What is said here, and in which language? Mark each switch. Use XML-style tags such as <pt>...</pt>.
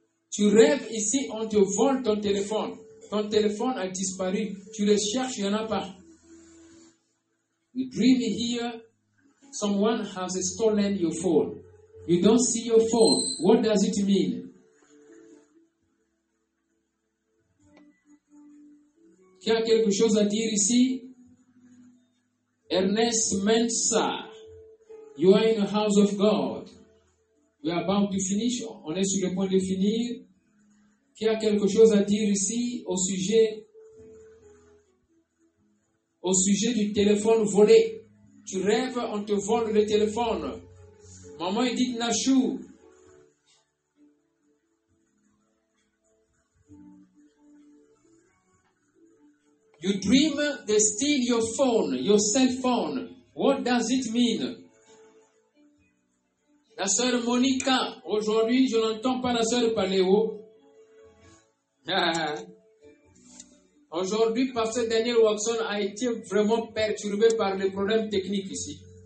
<fr>Tu rêves ici, on te vole ton téléphone. Ton téléphone a disparu. Tu le cherches, il n'y en a pas.</fr> <en>You dream here, someone has stolen your phone. You don't see your phone. What does it mean?</en> <fr>Qui a quelque chose à dire ici? Ernest Mensah,</fr> <en>you are in the house of God. We are about to finish.</en> <fr>On est sur le point de finir. Qui a quelque chose à dire ici au sujet du téléphone volé? Tu rêves, on te vole le téléphone. Maman Edith Nashu.</fr> <en>You dream they steal your phone, your cell phone. What does it mean?</en> <fr>La sœur Monica, aujourd'hui, je n'entends pas la sœur Paléo. Aujourd'hui, pasteur Daniel Watson a été vraiment perturbé par les problèmes techniques ici.</fr>